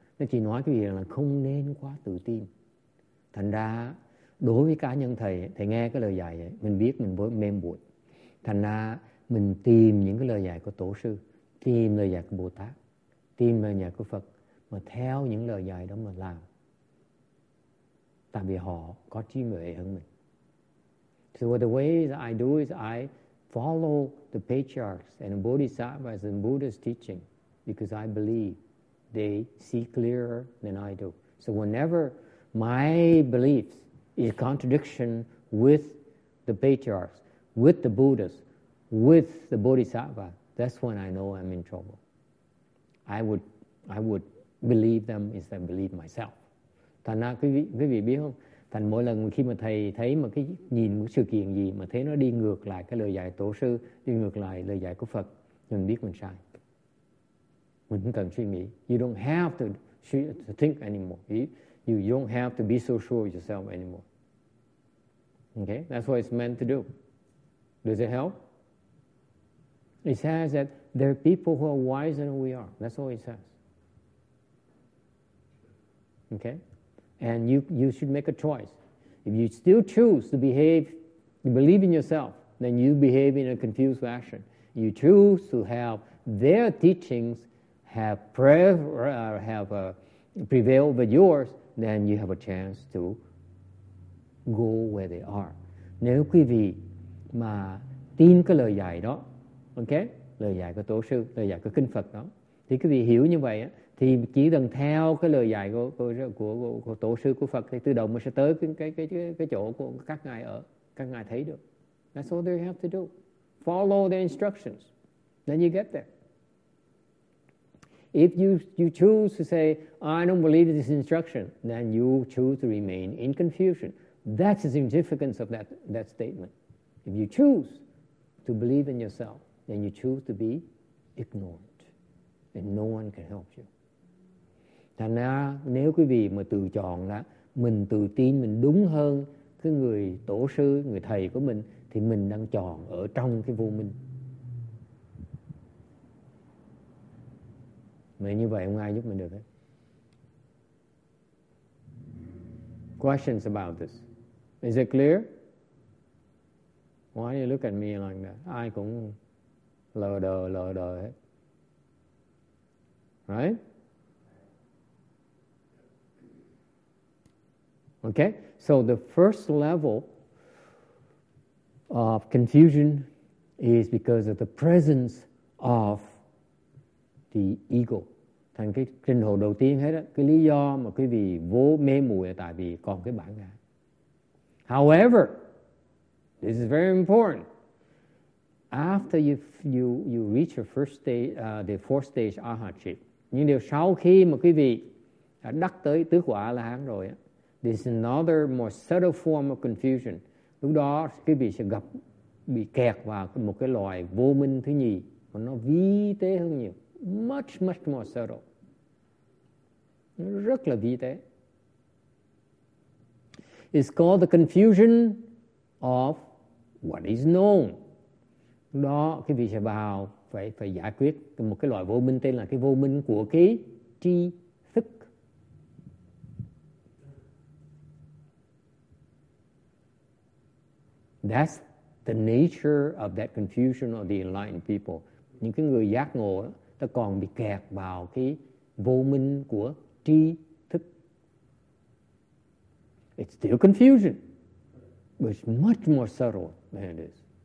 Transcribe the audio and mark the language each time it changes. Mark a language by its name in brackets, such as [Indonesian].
[Vietnamese] Nó chỉ nói quý vị là không nên quá tự tin. Thành ra đối với cá nhân thầy, thầy nghe cái lời dạy ấy, mình biết mình mới mê muội. Thành ra mình tìm những cái lời dạy của Tổ sư, tìm lời dạy của Bồ Tát, tìm lời dạy của Phật, mà theo những lời dạy đó mà làm. Tại vì họ có trí huệ hơn mình. [English] So what the way that I do is I follow the patriarchs and the bodhisattvas and Buddha's teaching because I believe they see clearer than I do. So whenever my beliefs is contradiction with the patriarchs, with the Buddhas, with the bodhisattva, that's when I know I'm in trouble. I would believe them instead of believe myself. [Vietnamese] Thành ra quý vị biết không? Thành mỗi lần khi mà thầy thấy mà cái nhìn một sự kiện gì mà thấy nó đi ngược lại cái lời dạy tổ sư, đi ngược lại lời dạy của Phật, mình biết mình sai. Mình không cần suy nghĩ. [English] You don't have to think anymore. You don't have to be so sure of yourself anymore. Okay? That's what it's meant to do. Does it help? It says that there are people who are wiser than we are. That's all it says. Okay? And you should make a choice. If you still choose to behave, to believe in yourself, then you behave in a confused fashion. You choose to have their teachings prevail over yours, then you have a chance to go where they are. [Vietnamese] Nếu quý vị mà tin cái lời dạy đó, okay, lời dạy của tổ sư, lời dạy của kinh Phật đó, thì quý vị hiểu như vậy á. Thì chỉ cần theo cái lời dạy của tổ sư của Phật thì tự động mình sẽ tới cái chỗ của các ngài ở, các ngài thấy được. [English] That's all they have to do. Follow the instructions. Then you get there. If you choose to say, I don't believe this instruction, then you choose to remain in confusion. That's the significance of that statement. If you choose to believe in yourself, then you choose to be ignorant. And no one can help you. [Vietnamese] Thành ra nếu quý vị mà tự chọn đó, mình tự tin mình đúng hơn cái người tổ sư, người thầy của mình, thì mình đang chọn ở trong cái vô minh. Mà như vậy không ai giúp mình được hết. [English] questions about this. Is it clear? Why do you look at me like that? [Vietnamese] Ai cũng lờ đờ hết. [English] Right? Okay? So the first level of confusion is because of the presence of the ego. [Vietnamese] Thành cái trình độ đầu tiên hết á, cái lý do mà quý vị vô mê muội là tại vì còn cái bản ngã. [English] However, this is very important. After you reach your first stage, the fourth stage arhatship. [Vietnamese] Nhưng điều sau khi mà quý vị đã đắc tới tứ quả A La Hán rồi á, [English] this is another more subtle form of confusion. [Vietnamese] Lúc đó quý vị sẽ gặp bị kẹt vào một cái loại vô minh thứ nhì mà nó vi tế hơn nhiều. [English] Much, much more subtle. [Vietnamese] Rất là vi tế. [English] It's called the confusion of what is known. [Vietnamese] Đó, cái vị sẽ vào phải giải quyết một cái loại vô minh tên là cái vô minh của cái tri thức. [English] That's the nature of that confusion of the enlightened people. [Vietnamese] Những cái người giác ngộ đó, ta còn bị kẹt vào cái vô minh của tri thức. [English] It's still confusion, but it's much more subtle than it is.